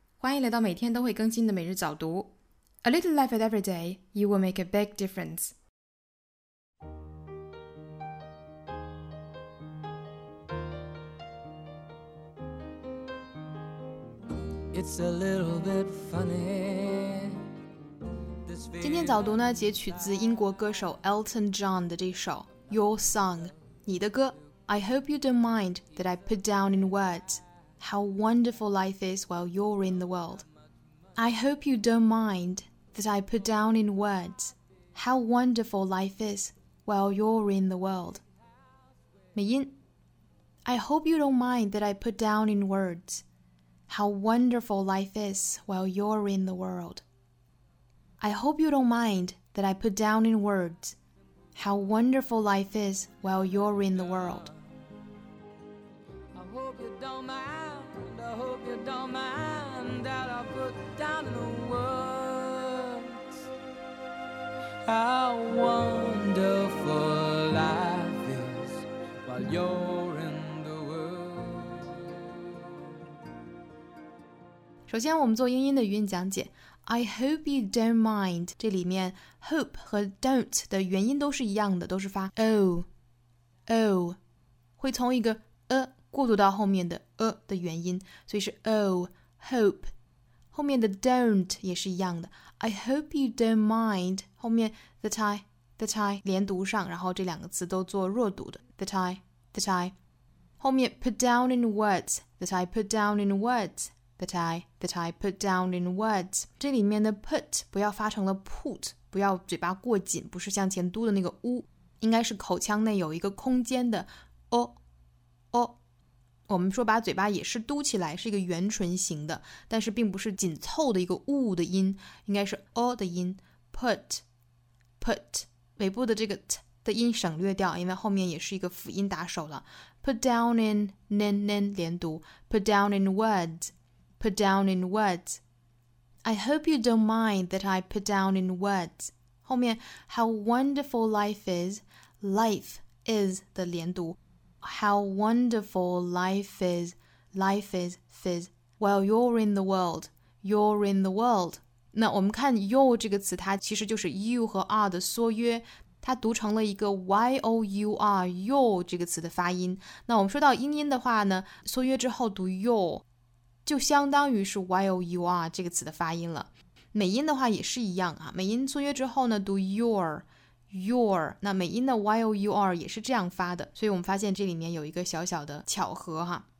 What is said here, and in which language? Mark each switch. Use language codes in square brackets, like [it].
[zh] 欢迎来到每天都会更新的每日早读。 [en] A little life at every day, you will make a big difference. It's a little bit funny. [zh] 今天早读呢，截取自英国歌手 Elton John 的这首 Your Song, 你的歌。 [en] I hope you don't mind that I put down in words. How wonderful life is while you're in the world. I hope you don't mind that I put down in words how wonderful life is while you're in the world. [zh] 美音 [en] I hope you don't mind that I put down in words how wonderful life is while you're in the world. I hope you don't mind that I put down in words how wonderful life is while you're in the world. I hope you don't mind. I hope you don't mind that I put down in the words how wonderful life is while you're in the world. [zh] 首先我们做英音的语音讲解。 [en] I hope you don't mind. [zh] 这里面 hope 和 don't 的元音都是一样的，都是发 o, o, 会从一个 a过渡到后面的 a 的元音，所以是 oh, hope. 后面的 don't 也是一样的。 [en] I hope you don't mind. [zh] 后面 [en] that I [zh] 连读上，然后这两个词都做弱读的 that I. 后面 [en] put down in words, that I put down in words, that I put down in words. [zh] 这里面的 put 不要发成了 put, 不要嘴巴过紧，不是向前嘟的那个 u, 应该是口腔内有一个空间的 o. 我们说把嘴巴也是嘟起来，是一个圆唇形的，但是并不是紧凑的一个呜的音，应该是 o 的音。 put 尾部的这个 t 的音省略掉，因为后面也是一个辅音打手了。 [en] put down in nin [zh] 连读 [en] put down in words. I hope you don't mind that I put down in words. [zh] 后面 [en] how wonderful life is [zh] 的连读。 [en] How wonderful life is, while you're in the world, you're in the world. [zh] 那我们看 you 这个词，它其实就是 you 和 are 的缩约，它读成了一个 y-o-u-r, you 这个词的发音。那我们说到英音的话呢，缩约之后读 you, 就相当于是 y-o-u-r 这个词的发音了。美音的话也是一样啊，美音缩约之后呢，读 your, 那美音的 y-o-u-r 也是这样发的，所以我们发现这里面有一个小小的巧合哈。